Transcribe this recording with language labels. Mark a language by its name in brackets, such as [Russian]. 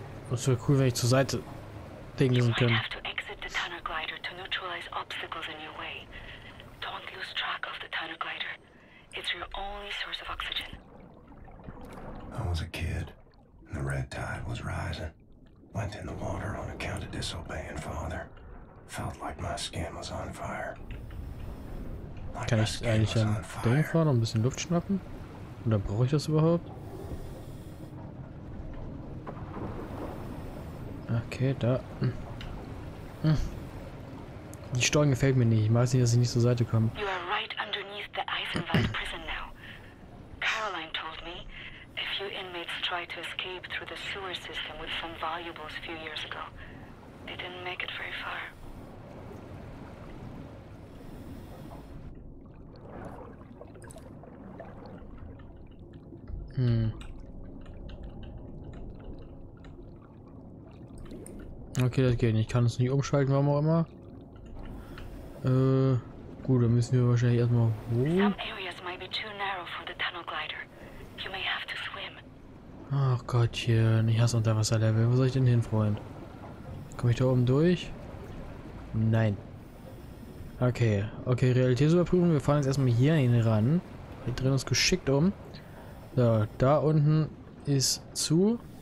[German] Das wäre cool, wenn ich zur Seite dingeln könnte. [English] You have to exit the tunnel glider to neutralize obstacles in your way. Don't lose track of the tunnel glider. It's your only source of oxygen. I was a kid, and the red tide was rising. Went in the water on account of disobeying father. Felt like my skin was on fire. [German] Kann ich eigentlich an den fahren und ein bisschen Luft schnappen? Oder brauche ich das überhaupt? Okay, da. Die Steuerung gefällt mir nicht. Ich weiß nicht, dass ich nicht zur Seite komme. [English] You are right underneath the Eisenwald prison now. Caroline told me, a few inmates tried to escape through the sewer system with some valuables a few years ago. They didn't make it very far. [German] Okay, das geht nicht. Ich kann es nicht umschalten, warum auch immer. Gut, dann müssen wir wahrscheinlich erstmal ruhen. [English] Some areas might be too narrow for the tunnel glider. You may have to swim. [German] Ach Gottchen, ich hasse Unterwasserlevel. Wo soll ich denn hin, Freund? Komme ich da oben durch? Nein. Okay, okay, Realitätsüberprüfung. Wir fahren jetzt erstmal hier hin ran. Wir drehen uns geschickt um. So, da unten ist zu.